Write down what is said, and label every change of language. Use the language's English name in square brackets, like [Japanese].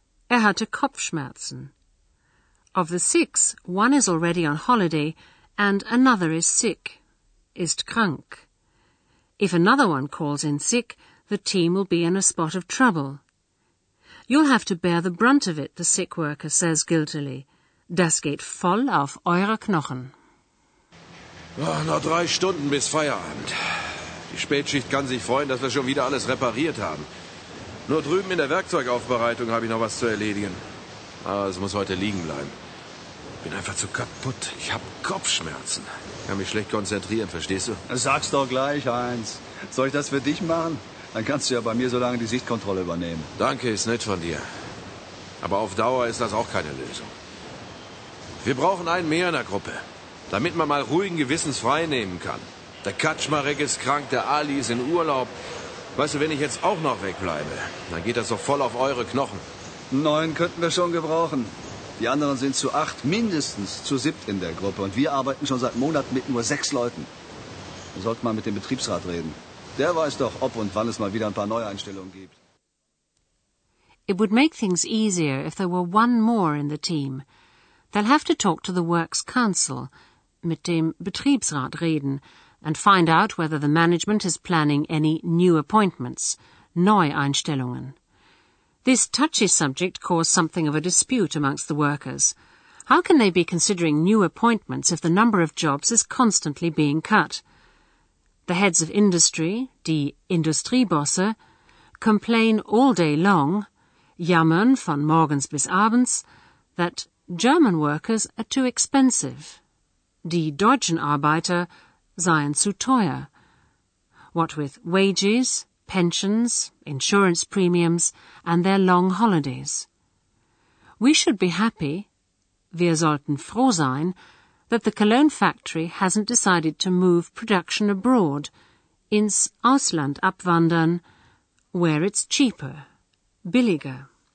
[German] Hatte Kopfschmerzen. [English] Of the 6, one is already on holiday and another is sick, [German] ist krank. [English] If another one calls in sick, the team will be in a spot of trouble. You'll have to bear the brunt of it, the sick worker says guiltily. [German] Das geht voll auf eure Knochen. Oh, noch 3 Stunden bis Feierabend. Die Spätschicht kann sich freuen, dass wir schon wieder alles repariert haben. Nur drüben in der Werkzeugaufbereitung habe ich noch was zu erledigen. Aber es muss heute liegen bleiben. Bin einfach zu kaputt. Ich habe Kopfschmerzen. Ich kann mich schlecht konzentrieren, verstehst du? Sag's doch gleich, Heinz. Soll ich das für dich machen? Dann kannst du ja bei mir so lange die Sichtkontrolle übernehmen. Danke, ist nett von dir. Aber auf Dauer ist das auch keine Lösung. Wir brauchen einen mehr in der Gruppe. Damit man mal ruhigen Gewissens freinehmen kann. Der Kaczmarek ist krank, der Ali ist in Urlaub. Weißt du, wenn ich jetzt auch noch wegbleibe, dann geht das doch voll auf eure Knochen. 9 könnten wir schon gebrauchen. Die anderen sind zu 8, mindestens zu 7 in der Gruppe. Und wir arbeiten schon seit Monaten mit nur 6 Leuten. Da sollte man mit dem Betriebsrat reden. Der weiß doch, ob und wann es mal wieder ein paar Neueinstellungen gibt. [English] It would make things easier if there were one more in the team. They'll have to talk to the works council, [German] mit dem Betriebsrat reden, [English] and find out whether the management is planning any new appointments, Neueinstellungen. This touchy subject caused something of a dispute amongst the workers. How can they be considering new appointments if the number of jobs is constantly being cut? The heads of industry, die Industriebosse, complain all day long, [German] jammern von morgens bis abends, [English] that German workers are too expensive. [German] Die deutschen Arbeiter seien zu teuer. [English] What with wages, pensions, insurance premiums, and their long holidays. We should be happy, [German] wir sollten froh sein, [English] that the Cologne factory hasn't decided to move production abroad, [German] ins Ausland abwandern, [English] where it's cheaper, billiger.